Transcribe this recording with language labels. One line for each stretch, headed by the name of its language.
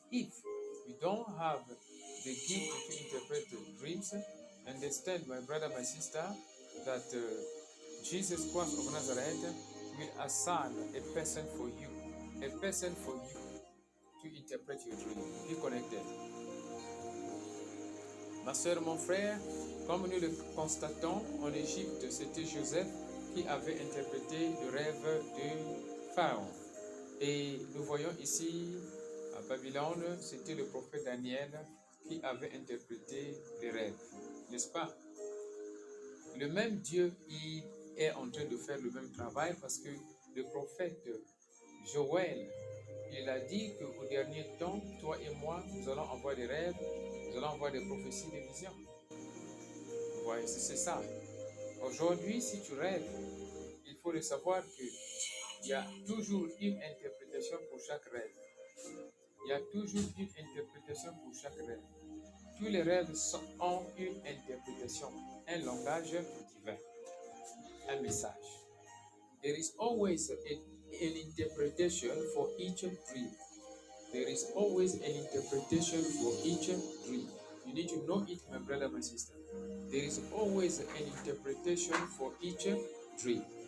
English: If you don't have the gift to interpret the dreams, understand, my brother, my sister, that Jesus Christ of Nazareth will assign a person for you to interpret your dream. Be connected.
French: Ma soeur, mon frère, comme nous le constatons, en Égypte, c'était Joseph qui avait interprété le rêve de Pharaon. Et nous voyons ici, à Babylone, c'était le prophète Daniel qui avait interprété le rêve. N'est-ce pas? Le même Dieu, il est en train de faire le même travail parce que le prophète Joël, il a dit qu'au dernier temps, toi et moi, nous allons avoir des rêves, nous allons avoir des prophéties, des visions. Voyez, ouais, c'est ça. Aujourd'hui, si tu rêves, il faut le savoir qu'il y a toujours une interprétation pour chaque rêve. Il y a toujours une interprétation pour chaque rêve. Tous les rêves ont une interprétation, un langage divin, un message.
English: There is always an interpretation for each dream. There is always an interpretation for each dream. You need to know it, my brother, my sister. There is always an interpretation for each dream.